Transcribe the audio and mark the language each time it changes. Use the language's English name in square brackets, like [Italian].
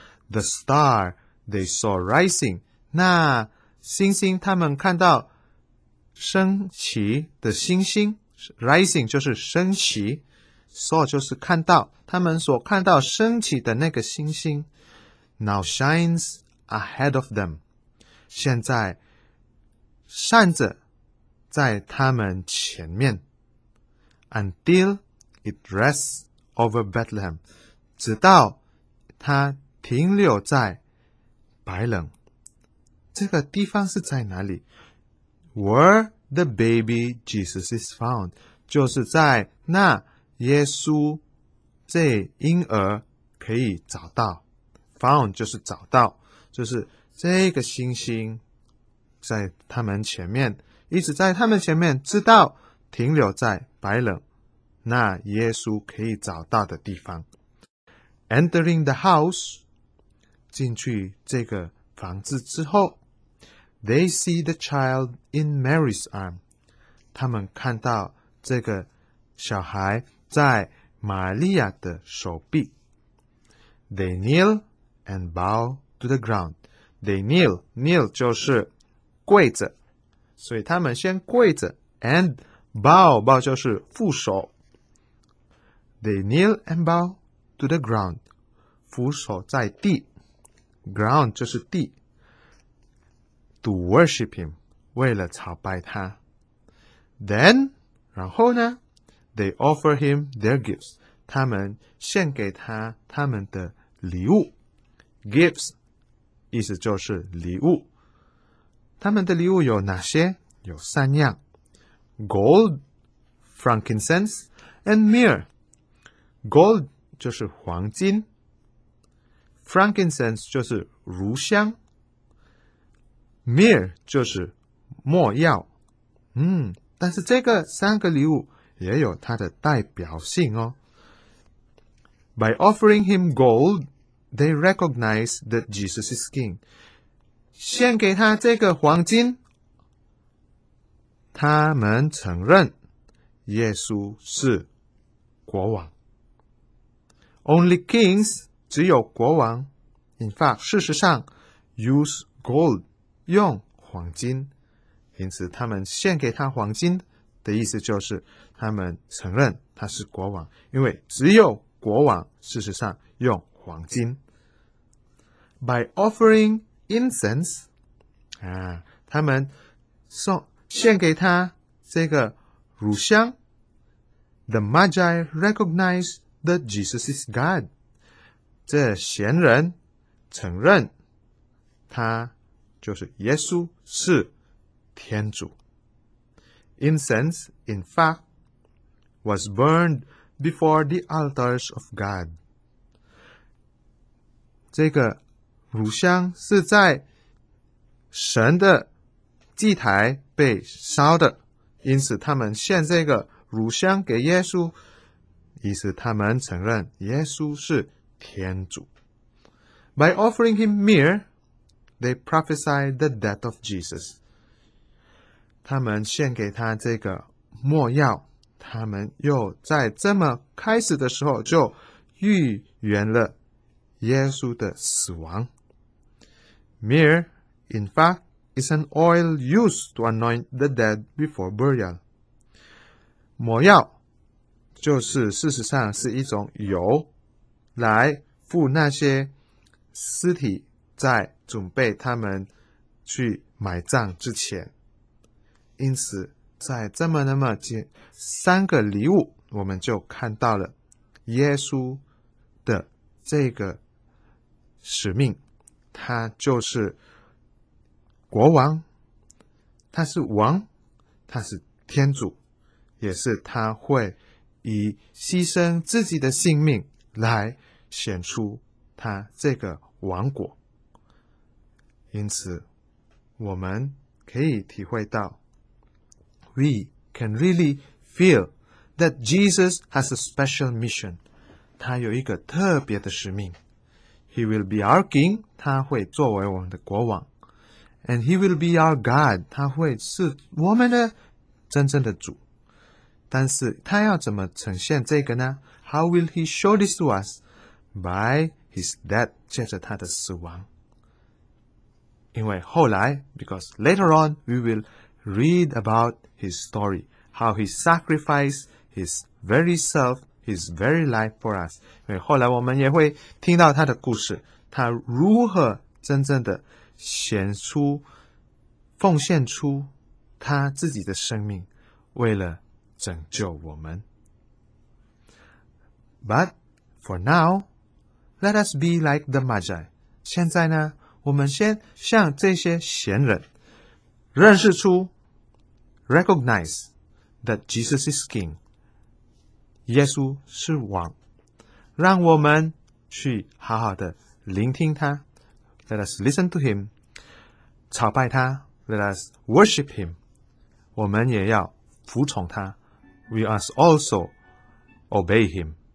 [English] The star they saw rising. [Chinese] 那星星他们看到升起的星星。 Rising 就是升起。Saw 就是看到。他们所看到升起的那个星星。 [English] Now shines ahead of them. [Chinese] 现在闪着在他们前面。 [English] Until it rests over Bethlehem. [Chinese] 直到他停留在白冷，这个地方是在哪里？ [English] Where the baby Jesus is found， [Chinese] 就是在那耶稣这婴儿可以找到。 Found 就是找到，就是这个星星在他们前面，一直在他们前面，直到停留在白冷，那耶稣可以找到的地方。 [English] Entering the house， [Chinese] 进去这个房子之后， [English] They see the child in Mary's arm. [Chinese] 他们看到这个小孩在玛利亚的手臂。 [English] They kneel and bow to the ground. They kneel, [Chinese] kneel 就是跪着，所以他们先跪着。 [English] And bow, bow [Chinese] 就是俯首。 [English] They kneel and bow to the ground. [Chinese] 俯首在地，Ground 就是地。 [English] To worship him， [Chinese] 为了朝拜他。 [English] Then [Chinese] 然后呢， [English] They offer him their gifts， [Chinese] 他们献给他他们的礼物。 Gifts 意思就是礼物。他们的礼物有哪些？有三样。 Gold [English] frankincense and myrrh. [Chinese] Gold 就是黄金 ，frankincense 就是乳香 ，myrrh 就是墨药。但是这个三个礼物也有它的代表性哦。 [English] By offering him gold, they recognize that Jesus is king. [Chinese] 献给他这个黄金，他们承认耶稣是国王。 [English] Only kings, [Chinese] 只有国王。 [English] In fact, [Chinese] 事实上 [English] use gold, 用黄金。 [Chinese] 因此他们献给他黄金的意思就是他们承认他是国王。因为只有国王事实上用黄金。 [English] By offering incense, [Chinese] 他们送献给他这个乳香。 [English] The Magi recognize that Jesus is God. [Chinese] 这贤人承认他就是耶稣是天主。 [English] Incense, in fact, was burned before the altars of God. [Chinese] 这个乳香是在神的祭台被烧的，因此他们献这个乳香给耶稣，意思他们承认耶稣是天主。 [English] By offering him myrrh, they prophesied the death of Jesus. [Chinese] 他们献给他这个墨药，他们又在这么开始的时候就预言了耶稣的死亡。 [English] Myrrh, in fact, is an oil used to anoint the dead before burial. [Chinese] 抹药就是事实上是一种油来敷那些尸体在准备他们去埋葬之前。因此在这么那么近三个礼物我们就看到了耶稣的这个使命。他就是国王，他是王，他是天主，也是他会以牺牲自己的性命来显出他这个王国。因此我们可以体会到 [English] We can really feel that Jesus has a special mission. [Chinese] 他有一个特别的使命。 [English] He will be our king, [Chinese] 他会作为我们的国王。 [English] And he will be our God, [Chinese] 他会是我们的真正的主。但是他要怎么呈现这个呢？ [English] How will he show this to us? By his death, [Chinese] 借着他的死亡。因为后来 [English] because later on, we will read about his story, how he sacrificed his very self,His very life for us. [Chinese] 因为后来我们也会听到他的故事，他如何真正的显出、奉献出他自己的生命，为了拯救我们。 [English] But for now, let us be like the Magi. [Chinese] 现在呢，我们先像这些贤人，认识出 ， [English] recognize that Jesus is King. [Chinese] 耶稣是王，让我们去好好的聆听他 ， [English] Let us listen to him， [Chinese] 朝拜他 ， [English] Let us worship him， [Chinese] 我们也要服从他 ， [English] We must also obey him。